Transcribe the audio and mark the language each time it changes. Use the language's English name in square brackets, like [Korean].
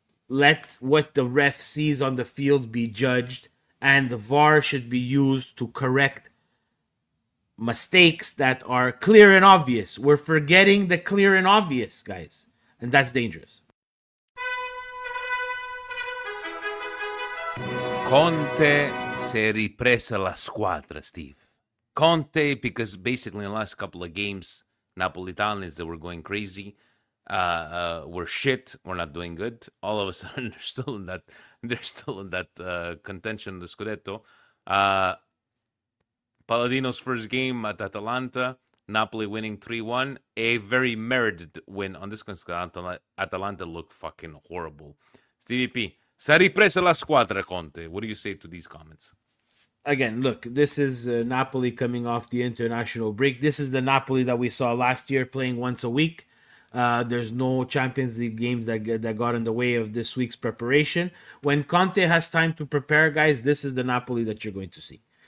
[English] Let what the ref sees on the field be judged, and the VAR should be used to correct mistakes that are clear and obvious. We're forgetting the clear and obvious, guys, and that's dangerous. [Italian] Conte si è ripresa la squadra, Steve. [English] Conte, because basically in the last couple of games, Napolitans, they were going crazy. We're shit. We're not doing good. All of a sudden, they're still in that contention of the Scudetto. Paladino's first game at Atalanta, Napoli winning 3-1. A very merited win on this one, because Atalanta looked fucking horrible. [Italian] Stevie P, si è ripresa la squadra, Conte. [English] What do you say to these comments? Again, look, this is Napoli coming off the international break. This is the Napoli that we saw last year playing once a week. There's no Champions League games that got in the way of this week's preparation. When Conte has time to prepare, guys, this is the Napoli that you're going to see.